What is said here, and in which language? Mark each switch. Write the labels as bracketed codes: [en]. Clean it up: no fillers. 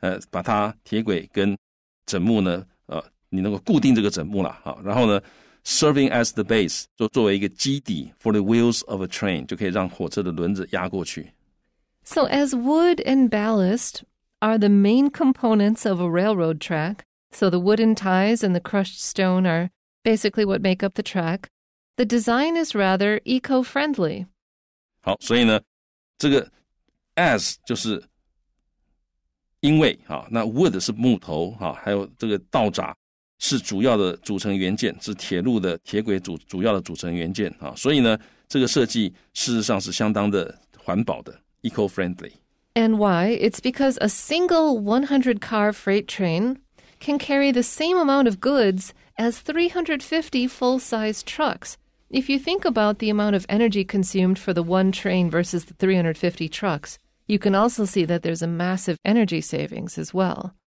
[zh] 把它铁轨跟枕木呢你能够固定这个枕木啦哈然后呢 [en] serving as the base [zh] 就作为一个基底 [en] for the wheels of a train [zh] 就可以让火车的轮子压过去 [en] So as wood and ballast are the main components of a railroad track, so the wooden ties and the crushed stone are basically what make up the track, the design is rather eco-friendly. [zh] 好，所以呢，这个 as 就是因为，啊，那 wood 是木头，啊，还有这个道闸是主要的组成元件，是铁路的铁轨主要的组成元件，啊，所以呢，这个设计事实上是相当的环保的。 [en] Eco-friendly. And why? It's because a single 100-car freight train can carry the same amount of goods as 350 full-size trucks. If you think about the amount of energy consumed for the one train versus the 350 trucks, you can also see that there's a massive energy savings as well.